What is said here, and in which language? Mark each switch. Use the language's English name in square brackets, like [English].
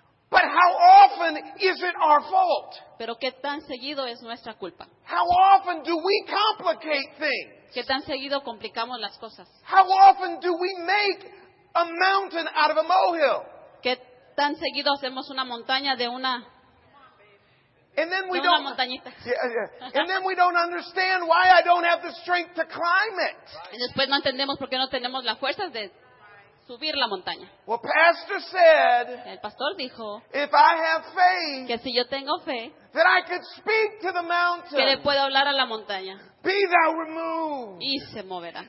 [English] But how often is it our fault? [Spanish] Pero qué tan seguido es nuestra culpa. [English] How often do we complicate things? [Spanish] Qué tan seguido complicamos las cosas. [English] How often do we make a mountain out of a molehill? [Spanish] Qué tan seguido hacemos una montaña de una. [English] And then we don't. And then we don't understand why I don't have the strength to climb it. [Spanish] Y después no entendemos por qué no tenemos las fuerzas de subir la montaña. [English] Well, pastor said. [Spanish] El pastor dijo. [English] If I have faith. [Spanish] Que si yo tengo fe. [English] That I could speak to the mountain. [Spanish] Que le puedo hablar a la montaña. [English] Be thou removed. [Spanish] Y se moverá.